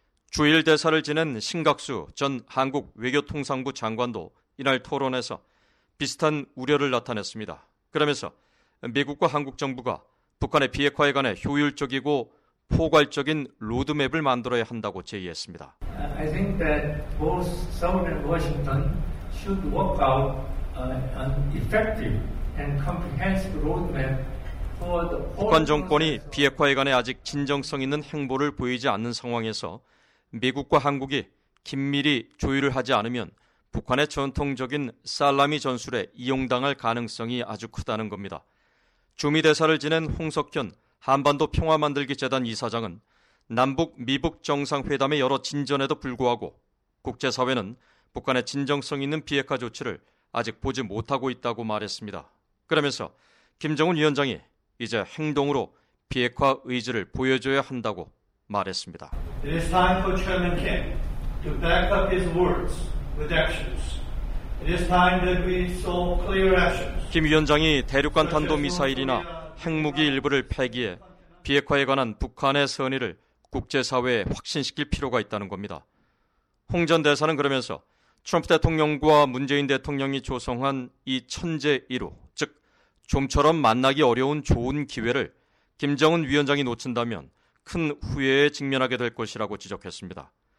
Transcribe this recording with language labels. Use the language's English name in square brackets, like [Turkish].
[Korean] 주일 대사를 지낸 신각수 전 한국 외교통상부 장관도 이날 토론에서 비슷한 우려를 나타냈습니다. 그러면서 미국과 한국 정부가 북한의 비핵화에 관해 효율적이고 포괄적인 로드맵을 만들어야 한다고 제의했습니다. [English] I think that both Seoul and Washington should work out an effective and comprehensive roadmap for the [Korean] 북한 정권이 비핵화에 관해 아직 진정성 있는 행보를 보이지 않는 상황에서 미국과 한국이 긴밀히 조율을 하지 않으면 북한의 전통적인 살라미 전술에 이용당할 가능성이 아주 크다는 겁니다. 주미 대사를 지낸 홍석현 한반도 평화 만들기 재단 이사장은 남북 미북 정상회담의 여러 진전에도 불구하고 국제사회는 북한의 진정성 있는 비핵화 조치를 아직 보지 못하고 있다고 말했습니다. 그러면서 김정은 위원장이 이제 행동으로 비핵화 의지를 보여줘야 한다고 말했습니다. [English] It is time for Chairman Kim to back up his words with actions. It is time that we saw clear actions. [Korean] 김 위원장이 대륙간 탄도 미사일이나 핵무기 일부를 폐기해 비핵화에 관한 북한의 선의를 국제사회에 확신시킬 필요가 있다는 겁니다. 홍 전 대사는 그러면서 트럼프 대통령과 문재인 대통령이 조성한 이 천재 1호, 즉 좀처럼 만나기 어려운 좋은 기회를 김정은 위원장이 놓친다면 큰 후회에 직면하게 될 것이라고 지적했습니다.